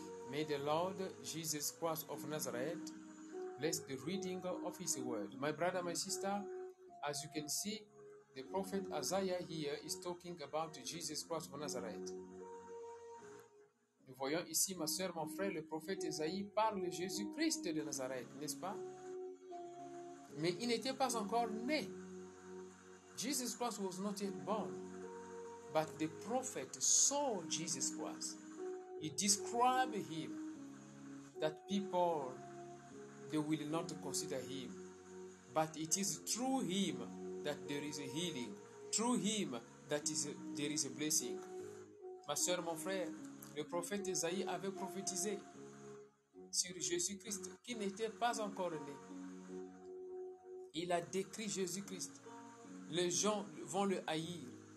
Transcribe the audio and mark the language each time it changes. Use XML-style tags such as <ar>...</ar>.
<en>May the Lord Jesus Christ of Nazareth bless the reading of his word. My brother, my sister, as you can see, the prophet Isaiah here is talking about Jesus Christ of Nazareth.</en> <fr>Nous voyons ici, ma soeur, mon frère, le prophète Isaïe parle de Jésus-Christ de Nazareth, n'est-ce pas? Mais il n'était pas encore né.</fr> <en>Jesus Christ was not yet born. But the prophet saw Jesus Christ. He described him that people, they will not consider him. But it is through him that there is a healing. Through him that is there is a blessing.</en> <fr>Ma soeur, mon frère, le prophète Isaïe avait prophétisé sur Jésus-Christ qui n'était pas encore né. Il a décrit Jésus-Christ. Les gens vont le haïr.</fr>